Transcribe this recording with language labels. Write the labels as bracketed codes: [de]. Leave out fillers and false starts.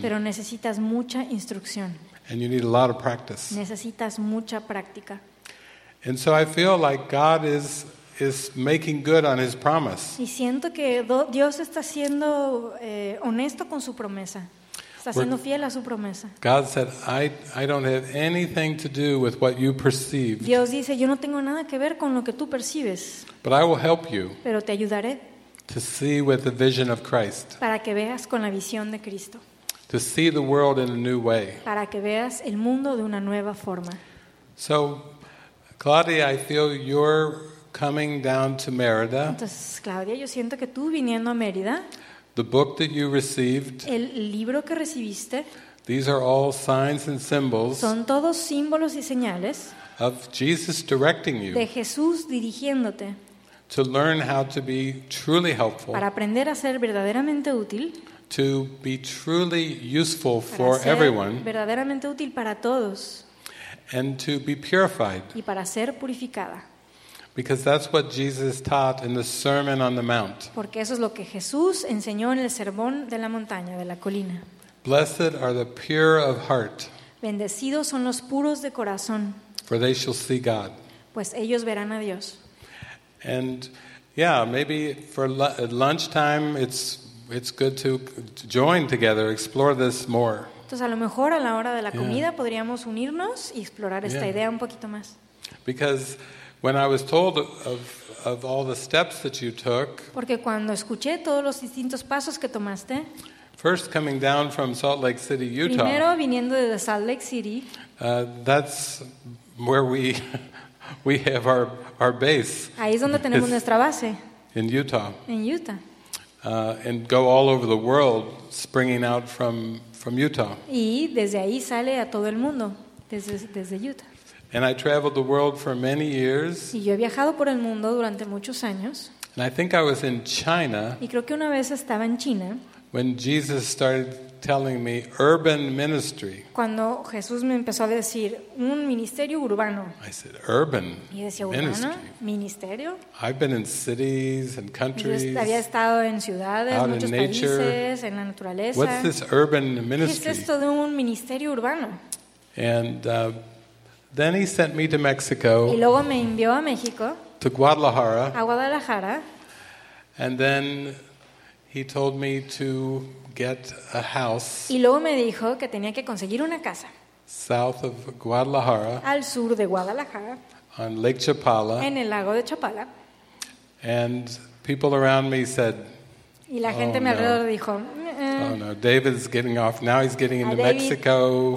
[es] Pero necesitas mucha instrucción. [en] And you need a lot of practice. [es] Necesitas mucha práctica. [en] And so I feel like God is making good on his promise. [es] Y siento que Dios está siendo honesto con su promesa. Está siendo fiel a su promesa. [en] God said, I don't have anything to do with what you perceive. [es] Dios dice, yo no tengo nada que ver con lo que tú percibes. [en] But I will help you. [es] Pero te ayudaré. [en] To see with the vision of Christ. [es] Para que veas con la visión de Cristo. [en] To see the world in a new way. [es] Para que veas el mundo de una nueva forma. [en] So, Claudia, I feel you're coming down to Mérida. [es] Entonces, Claudia, yo siento que tú viniendo a Mérida. [en] The book that you received. [es] El libro que recibiste. [en] These are all signs and symbols. [es] Son todos símbolos y señales. [en] Of Jesus directing you. [es] De Jesús dirigiéndote. [en] To learn how to be truly helpful. [es] Para aprender a ser verdaderamente útil. [en] To be truly useful for everyone. [es] Para ser verdaderamente útil para todos. [en] And to be purified. [es] Y para ser purificada. [en] Because that's what Jesus taught in the Sermon on the Mount. [es] Porque eso es lo que Jesús enseñó en el sermón de la montaña, de la colina. [en] Blessed are the pure of heart. [es] Bendecidos son los puros de corazón. [en] For they shall see God. [es] Pues ellos verán a Dios. [en] And yeah, maybe for lunchtime it's good to join together, explore this more. [es] Entonces a lo mejor a la hora de la comida podríamos unirnos y explorar esta idea un poquito más. [en] Because when I was told of of all the steps that you took. [es] Porque cuando escuché todos los distintos pasos que tomaste. [en] First coming down from Salt Lake City, Utah. [es] Primero viniendo de Salt Lake City. [en] That's where we have our base. [es] Ahí es donde tenemos nuestra base. [en] In Utah. [es] En Utah. [en] And go all over the world, springing out from Utah. [es] Y desde ahí sale a todo el mundo, desde Utah. [en] And I traveled the world for many years. [es] Y yo he viajado por el mundo durante muchos años. [en] And I think I was in China. [es] Y creo que una vez estaba en China. [en] When Jesus started telling me urban ministry. [es] Cuando Jesús me empezó a decir un ministerio urbano. [en] I said urban. [es] Y decía urbano, ministerio. [en] I've been in cities and countries. [es] Yo había estado en ciudades, muchos países, nature. En la naturaleza. [en] What's this urban ministry? [es] ¿Qué es esto de un ministerio urbano? [en] And then he sent me to Mexico. [es] Y luego me envió a México. [en] To Guadalajara. [es] A Guadalajara. [en] And then he told me to get a house. [es] Y luego me dijo que tenía que conseguir una casa. [en] South of Guadalajara. [es] Al sur de Guadalajara. [en] On Lake Chapala. [es] En el lago de Chapala. [en] And people around me said. [es] Y la gente alrededor dijo. [en] Oh no, David's getting off. Now he's getting into Mexico.